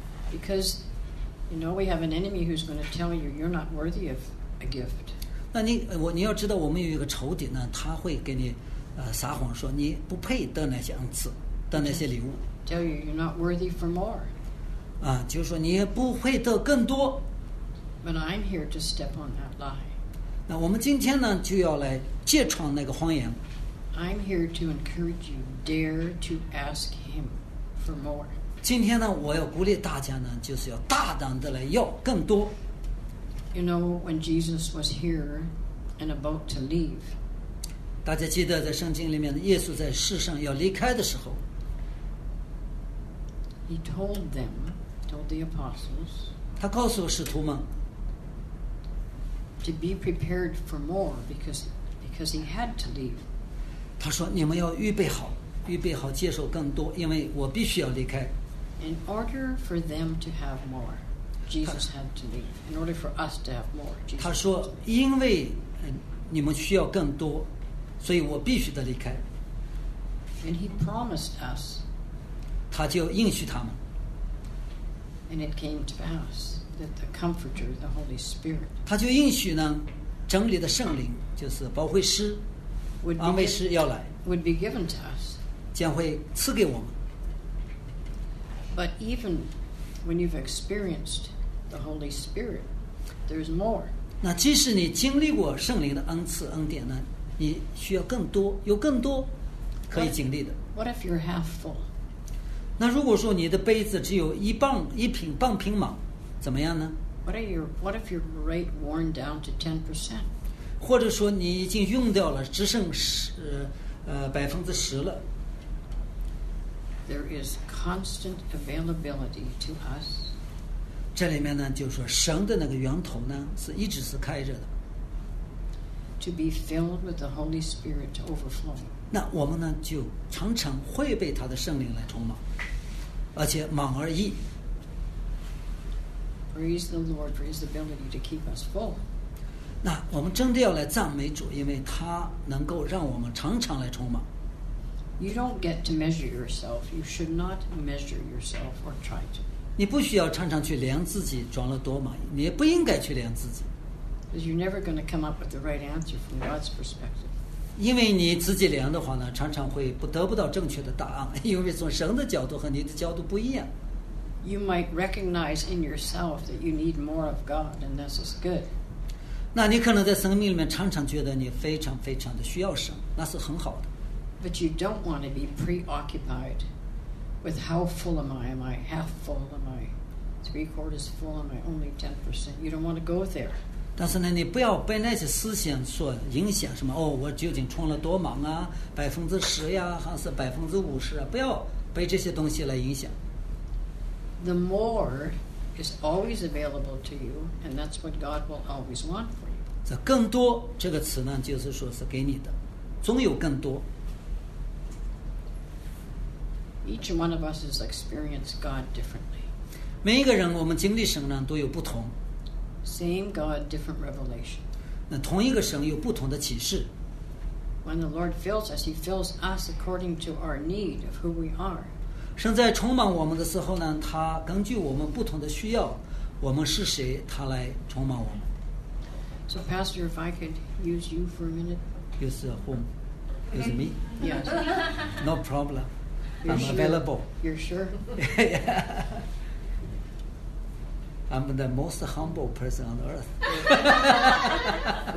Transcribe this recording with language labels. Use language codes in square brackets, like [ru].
[en] Because you know we have an enemy who's going to tell you you're not worthy of a gift. [zh] 那你要知道，我们有一个仇敌呢，他会给你撒谎说你不配得那些恩赐，得那些礼物。 [en] Tell you you're not worthy for more. [zh] 就是说你不会得更多。 [en] But I'm here to step on that lie. [zh] 那我们今天呢，就要来揭穿那个谎言。 [en] I'm here to encourage you, dare to ask him for more. [zh] 今天呢，我要鼓励大家呢，就是要大胆的来要更多。 [en] You know, when Jesus was here and about to leave, [zh] 大家记得在圣经里面，耶稣在世上要离开的时候 [en] He told them, told the apostles, [zh] 他告诉使徒们, [en] to be prepared for more because he had to leave. [zh] 他说你们要预备好，预备好接受更多，因为我必须要离开。 [en] In order for them to have more, Jesus had to leave. In order for us to have more, Jesus. [zh] 他说因为你们需要更多，所以我必须得离开。 [en] And he promised us. [zh] 他就应许他们。 [en] And it came to pass that the Comforter, the Holy Spirit. [zh] 他就应许呢，真理的圣灵就是保惠师、安慰师要来。 [en] Would be given to us. [zh] 将会赐给我们。 [en] But even when you've experienced the Holy Spirit, there's more. [zh] 那即使你经历过圣灵的恩赐恩典呢，你需要更多，有更多可以经历的。 [en] What if you're half full? [zh] 那如果说你的杯子只有一磅一瓶半瓶满，怎么样呢？ [en] What if your rate worn down to 10%? [zh] 或者说你已经用掉了，只剩10%了。 [en] There is constant availability to us. [zh] 这里面呢，就是说神的那个源头呢，是一直是开着的。 [en] To be filled with the Holy Spirit to overflowing. [zh] 那我们呢，就常常会被他的圣灵来充满，而且满而溢。 [en] Praise the Lord for His ability to keep us full. [zh] 那我们真的要来赞美主，因为他能够让我们常常来充满。 [en] You don't get to measure yourself. You should not measure yourself or try to. [zh] 你不需要常常去量自己装了多满，你也不应该去量自己。 [en] Because you're never going to come up with the right answer from God's perspective. [zh] 因为你自己量的话呢，常常会不得不到正确的答案，因为从神的角度和你的角度不一样。 [en] You might recognize in yourself that you need more of God, and this is good. [zh] 那你可能在生命里面常常觉得你非常非常的需要神，那是很好的。 [en] But you don't want to be preoccupied with how full am I? Am I half full? Am I three quarters full? Am I only 10%? You don't want to go there. [zh] 但是呢，你不要被那些思想所影响，什么哦，我究竟充了多满啊？ 10%呀，还是50%啊？不要被这些东西来影响。 [en] The more is always available to you, and that's what God will always want for you. [zh] 这更多这个词呢，就是说是给你的，总有更多。 [en] Each one of us has experienced God differently. [zh] 每一个人，我们经历神呢都有不同。 [en] Same God, different revelation. [zh] 那同一个神有不同的启示。 [en] When the Lord fills us, He fills us according to our need of who we are. [zh] 神在充满我们的时候呢，他根据我们不同的需要，我们是谁，他来充满我们。 [en] So, Pastor, if I could use you for a minute. Use whom? Use me? Yes. No problem. You're I'm available. Sure? You're sure? Yeah. I'm the most humble person on earth.